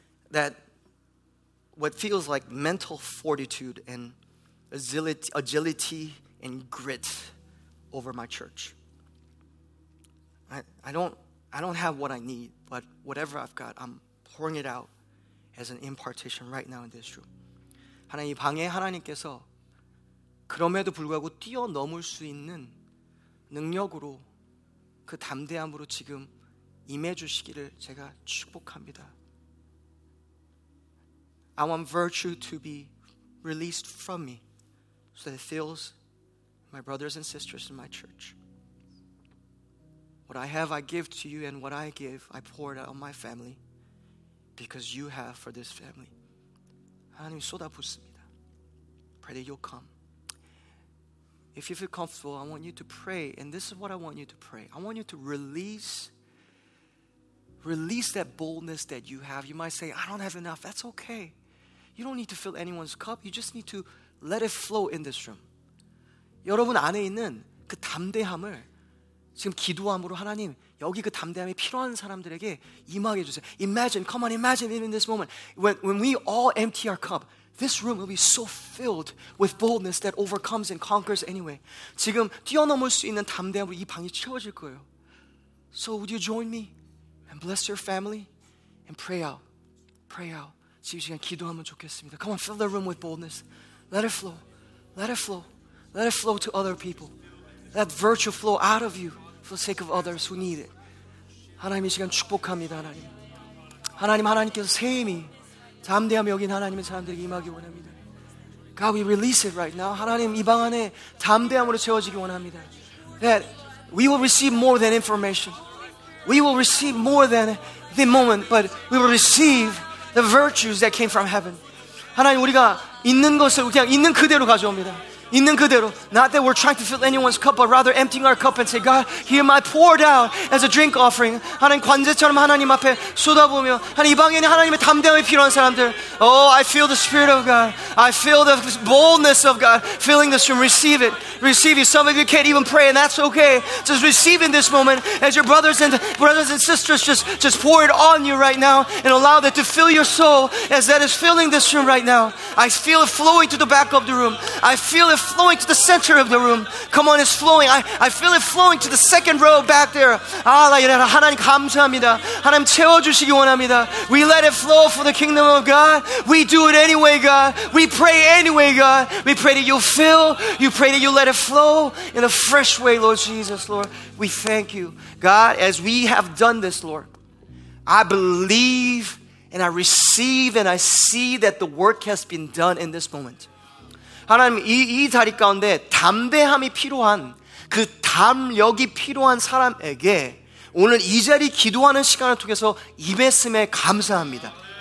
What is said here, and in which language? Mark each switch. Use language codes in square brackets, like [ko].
[en] That what feels like mental fortitude and agility and grit over my church. I don't have what I need, but whatever I've got, I'm pouring it out as an impartation right now in this room. [ko] 하나님, 방에 하나님께서 그럼에도 불구하고 뛰어넘을 수 있는 능력으로 그 담대함으로 지금 임해주시기를 제가 축복합니다. [en] I want virtue to be released from me so that it fills my brothers and sisters in my church. What I have, I give to you, and what I give, I pour it out on my family because you have for this family. [ko] 하나님, 쏟아붓습니다. [en] Pray that you'll come. If you feel comfortable, I want you to pray, and this is what I want you to pray. I want you to release that boldness that you have. You might say, I don't have enough. That's okay. You don't need to fill anyone's cup. You just need to let it flow in this room. [ko] 여러분 안에 있는 그 담대함을 지금 기도함으로 하나님 여기 그 담대함이 필요한 사람들에게 임하게 해주세요. [en] Imagine, come on, imagine in this moment. When we all empty our cup, this room will be so filled with boldness that overcomes and conquers anyway. [ko] 지금 뛰어넘을 수 있는 담대함으로 이 방이 채워질 거예요. [en] So would you join me and bless your family and pray out. Pray out. [ko] 지금 시간 기도하면 좋겠습니다. [en] Come on, fill the room with boldness. Let it flow. Let it flow. Let it flow to other people. Let virtue flow out of you for the sake of others who need it. [ko] 하나님, 이 시간 축복합니다. 하나님. 하나님, 하나님께서 새 힘이 담대함이 여긴 하나님의 사람들에게 임하기 원합니다. [en] God, we release it right now. [ko] 하나님, 이 방 안에 담대함으로 채워지기 원합니다. [en] That we will receive more than information. We will receive more than the moment, but we will receive the virtues that came from heaven. [ko] 하나님, 우리가 있는 것을 그냥 있는 그대로 가져옵니다. 있는 그대로. [en] Not that we're trying to fill anyone's cup, but rather emptying our cup and say, God, hear my pour down as a drink offering. [ko] 하나님, 관제처럼 하나님 앞에 쏟아부으며, 하나님, 이 방에 있는 하나님의 담대함이 필요한 사람들. [en] Oh, I feel the Spirit of God. I feel the boldness of God filling this room. Receive it. Receive you. Some of you can't even pray, and that's okay. Just receive in this moment as your brothers and sisters just pour it on you right now and allow that to fill your soul as that is filling this room right now. I feel it flowing to the back of the room. I feel it flowing to the center of the room. Come on, it's flowing. I feel it flowing to the second row back there. [ko] 아, 하나님 감사합니다. 하나님 채워주시기 원합니다. [en] We let it flow for the kingdom of God. We do it anyway, God. We pray anyway, God. We pray that you'll fill. You pray that you'll let it flow in a fresh way, Lord Jesus, Lord. We thank you. God, as we have done this, Lord, I believe and I receive and I see that the work has been done in this moment. [ko] 하나님, 이 자리 가운데 담대함이 필요한 그 담력이 필요한 사람에게 오늘 이 자리 기도하는 시간을 통해서 임했음에 감사합니다.